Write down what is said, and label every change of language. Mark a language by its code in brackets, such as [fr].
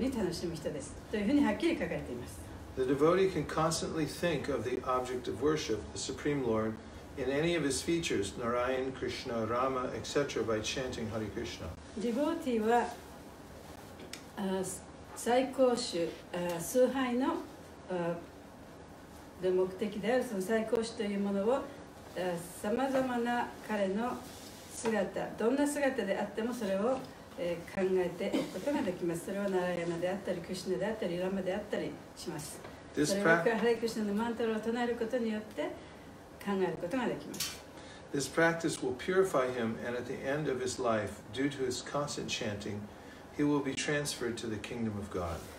[ja] 完全拡張体としての、その、形でもって現れたのが、その最高の、最高に楽しむ人です。というふうにはっきり書かれています。 [en] The devotee can constantly think of the object of worship, the Supreme Lord, in any of his features, Narayan, Krishna, Rama, etc., by chanting Hare Krishna. Devotee is [ja] 姿、どんな姿であってもそれを、考えておくことができます。それはナラヤナであったり、クリシナであったり、ラマであったりします。それがハレクリシナのマントラを唱えることによって考えることができます。 [en] This practice will purify him, and at the end of his life, due to his constant chanting, he will be transferred to the kingdom of God.